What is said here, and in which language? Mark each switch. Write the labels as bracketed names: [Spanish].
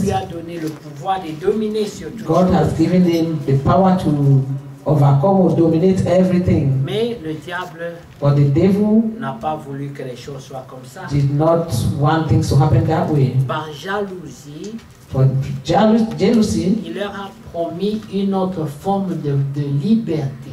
[French] Dieu lui a donné le pouvoir de dominer sur tout. [English] God has given him the power to overcome or dominate everything. [French] Mais le diable, [English] but the devil, [French] n'a pas voulu que les choses soient comme ça. [English] Did not want things to happen that way. [French] Par jalousie. [English] But jealousy, [French] il leur a promis une autre forme de liberté.